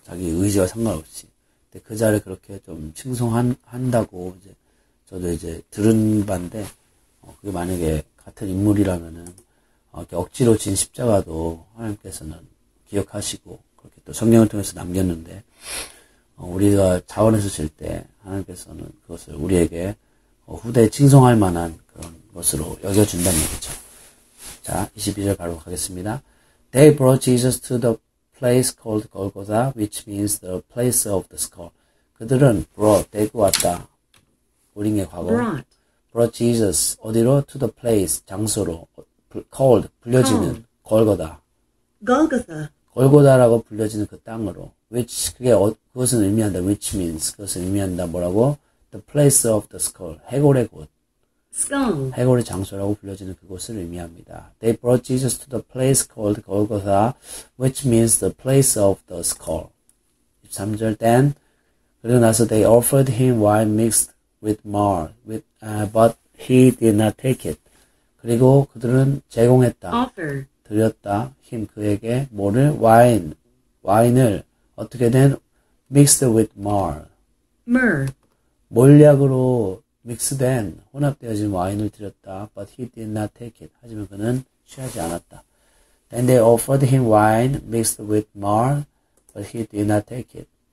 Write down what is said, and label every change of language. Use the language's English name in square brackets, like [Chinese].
[Korean] 자기 의지와 상관없이. 근데 그 자를 그렇게 좀 칭송한다고, 이제, 저도 이제 들은 바인데, 그게 만약에 같은 인물이라면은, 억지로 진 십자가도 하나님께서는 기억하시고 그렇게 또 성경을 통해서 남겼는데 우리가 자원해서 질 때 하나님께서는 그것을 우리에게 후대에 칭송할 만한 그런 것으로 여겨준다는 얘기죠. 자, 22절 바로 가겠습니다. [English] They brought Jesus to the place called Golgotha, which means the place of the skull. [Korean] 그들은 [English] brought, [Korean] 데리고 왔다. 우리의 과거. [English] Brought Jesus [Korean] 어디로? [English] To the place, [Korean] 장소로. [English] called, [Korean] 불려지는, [English] Golgotha. Golgotha. [Korean] Golgotha라고 불려지는 그 땅으로. [English] which, [Korean] 그것은 의미한다. [English] which means, [Korean] 그것을 의미한다. 뭐라고? [English] the place of the skull. [Korean] 해골의 곳. [English] skull. [Korean] 해골의 장소라고 불려지는 그곳을 의미합니다. [English] They brought Jesus to the place called Golgotha, which means the place of the skull. [Korean] 23절, [English] then, [Korean] 그리고 나서 [English] they offered him wine mixed with myrrh, but he did not take it. [Korean] 그리고 그들은 제공했다. [English] Offer. [Korean] 드렸다. [English] him [Korean] 그에게 뭐를? [English] wine. [Korean] 와인을 어떻게 된? [English] mixed with myrrh. myrrh. [Korean] 몰약으로 [English] 믹스 [Korean] 된 혼합되어진 와인을 드렸다. [English] But he did not take it. [Korean] 하지만 그는 취하지 않았다. [English] Then they offered him wine mixed with myrrh, but he did not take it.